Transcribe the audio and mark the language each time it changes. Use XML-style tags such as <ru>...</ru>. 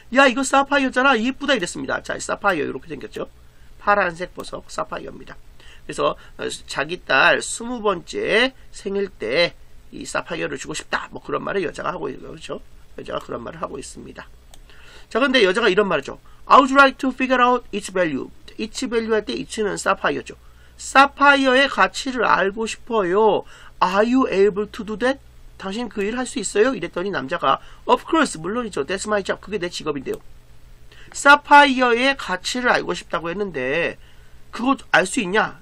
<ko>야, 이거 사파이어잖아. 예쁘다. 이랬습니다. 자, 사파이어 이렇게 생겼죠? 파란색 보석 사파이어입니다. 그래서 자기 딸 20번째 생일 때 이 사파이어를 주고 싶다. 뭐 그런 말을 여자가 하고 있는 거죠. 그렇죠? 여자가 그런 말을 하고 있습니다. 자, 근데 여자가 이런 말이죠.</ko> <en>I would like to figure out its value. Its value</en> <ko>할 때 its는 사파이어죠. 사파이어의 가치를 알고 싶어요.</ko> <en>Are you able to do that?</en> <ko>당신 그 일 할 수 있어요? 이랬더니 남자가</ko> <en>Of course,</en> <ko>물론이죠.</ko> <en>That's my job.</en> <ko>그게 내 직업인데요. 사파이어의 가치를 알고 싶다고 했는데 그거 알 수 있냐?</ko>